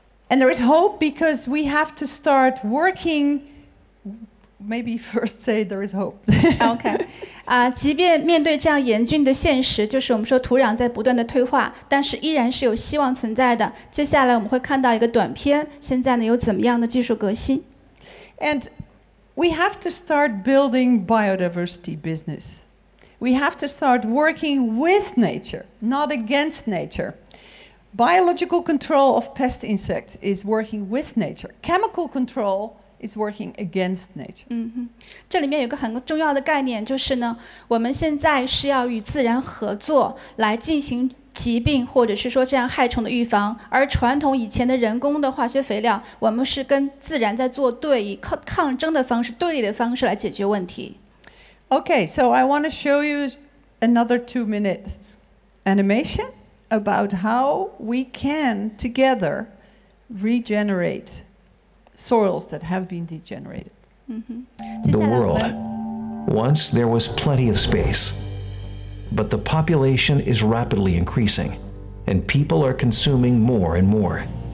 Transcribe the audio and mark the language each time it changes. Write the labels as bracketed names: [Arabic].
[English] And there is hope because we have to start working. Maybe first say there is hope. Okay. [Chinese] 即便面对这样严峻的现实，就是我们说土壤在不断的退化，但是依然是有希望存在的。接下来我们会看到一个短片，现在呢有怎么样的技术革新 [English] ？And we have to start building biodiversity business. We have to start working with nature, not against nature. Biological control of pest insects is working with nature. Chemical control. It's working against nature. [Chinese] 这里面有个很重要的概念，就是呢，我们现在是要与自然合作来进行疾病或者是说这样害虫的预防，而传统以前的人工的化学肥料，我们是跟自然在做对，以抗争的方式，对立的方式来解决问题。 [English] Okay, so I want to show you another 2-minute animation about how we can together regenerate. Soils that have been degenerated. The world. Once there was plenty of space, but the population is rapidly increasing, and people are consuming more and more.